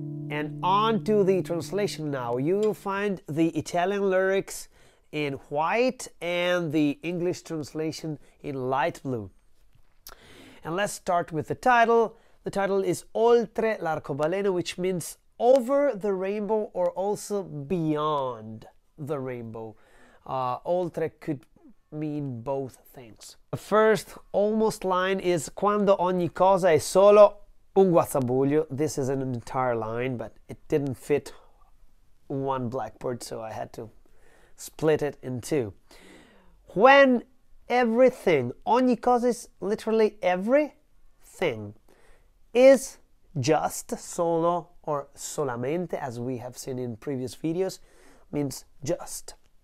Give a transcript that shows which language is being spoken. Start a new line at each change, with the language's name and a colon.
English: And on to the translation now. You will find the Italian lyrics in white and the English translation in light blue. And let's start with the title. The title is Oltre l'arcobaleno, which means over the rainbow or also beyond the rainbow. Oltre could mean both things. The first almost line is
Italian: quando ogni cosa è solo un guazzabuglio.
English: This is an entire line, but it didn't fit one blackboard, so I had to split it in two. When everything, ogni cosa is literally everything, is just, solo or solamente, as we have seen in previous videos, means just.